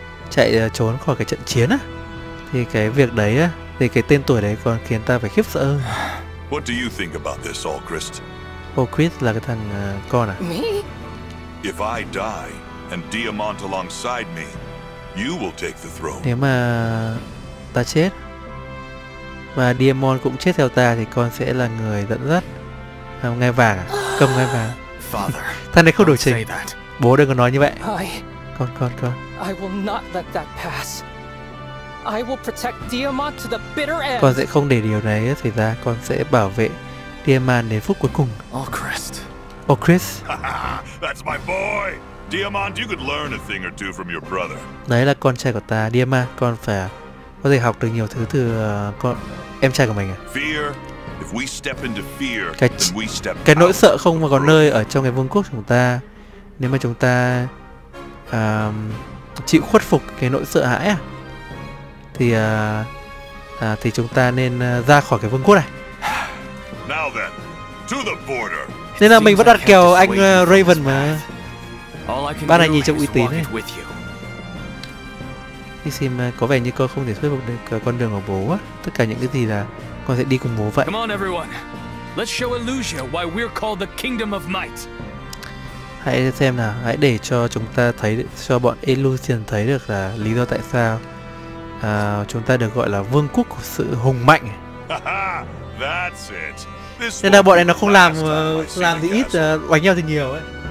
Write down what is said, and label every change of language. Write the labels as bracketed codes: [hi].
[vi] chạy trốn khỏi cái trận chiến á. Thì cái việc đấy á, thì cái tên tuổi đấy còn khiến ta phải khiếp sợ. [en] What do you think about this, Allcrist? [vi] Allcrist là cái thằng con à? [en] Me? If I die and Diamant alongside me, you will take the throne. [vi] Nếu mà ta chết và Diamond cũng chết theo ta thì con sẽ là người dẫn dắt ngai vàng à? Cầm ngai vàng. Thằng này không đổi trình. Bố đừng có nói như vậy. Con. [en] I will not let that pass. I will protect Diamond to the bitter end. [vi] Con sẽ không để điều này xảy ra. Con sẽ bảo vệ Diamond đến phút cuối cùng. [en] Allcrist. That's my boy. Diamond, you could learn a thing or two from your brother. [vi] Đấy là con trai của ta, Diamond. Con phải có thể học được nhiều thứ từ con em trai của mình à. [en] Fear. If we step into fear, [vi] cái nỗi sợ không mà có nơi ở trong cái vương quốc chúng ta. Nếu mà chúng ta chịu khuất phục cái nỗi sợ hãi à, thì chúng ta nên ra khỏi cái vương quốc này. [en] Now then, to the border. [vi] Nên là mình vẫn đặt kèo anh Raven mà. Ba này nhìn trông uy tín ấy. Thì xem có vẻ như con không thể thuyết phục được con đường của bố á. Tất cả những cái gì là con sẽ đi cùng bố vậy. [en] Come on everyone. Let's show Illusia why we're called the Kingdom of Might. [vi] Hãy xem nào, hãy để cho chúng ta thấy, cho bọn Illusion thấy được là lý do tại sao chúng ta được gọi là Vương quốc của sự hùng mạnh. [en] That's it. [vi] Nên là bọn này nó không làm làm thì ít, đánh nhau thì nhiều ấy.